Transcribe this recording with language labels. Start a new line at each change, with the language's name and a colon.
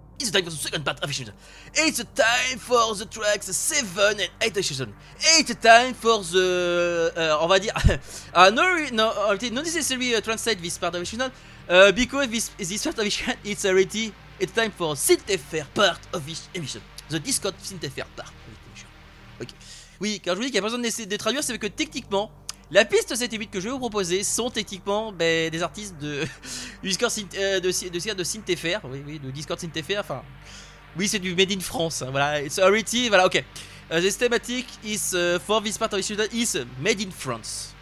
English: time for the second part of the season. It's time for the tracks 7 and 8 of the season. It's time for the...
French: on va dire...
English: no necessary translate this part of the season. Because this part of the season, it's already... It's time for SynthFR part of this emission. The Discord SynthFR part of this emission. Ok.
French: Oui, quand je vous dis qu'il n'y a pas besoin d'essayer de traduire, c'est que techniquement, la piste 7 et 8 que je vais vous proposer sont techniquement ben, des artistes de Discord de SynthFR. Oui, oui, de Discord SynthFR. Enfin, oui, c'est du Made in France. Hein, voilà,
English: it's already.
French: Voilà, ok.
English: This thematic is for this part of this emission is Made in France.